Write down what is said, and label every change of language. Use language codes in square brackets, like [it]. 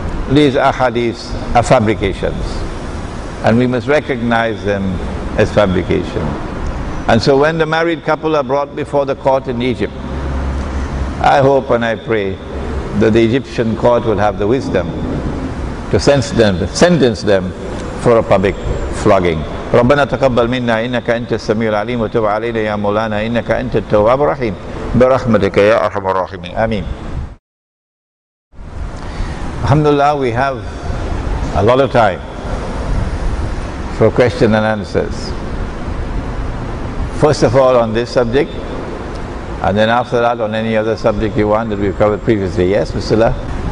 [en] These ahadith are fabrications, and we must recognize them as fabrication. And so when the married couple are brought before the court in Egypt, I hope and I pray that the Egyptian court will have the wisdom to sentence them for a public flogging. [ar] ربنا تقبل منا إنك أنت السميع العليم وتب علينا يا مولانا إنك أنت التواب الرحيم برحمتك يا أرحم الراحمين آمين. [en] Alhamdulillah, we have a lot of time for questions and answers. First of all, on this subject, And then after that, on any other subject you want that we've covered previously. Yes, Mr. Allah?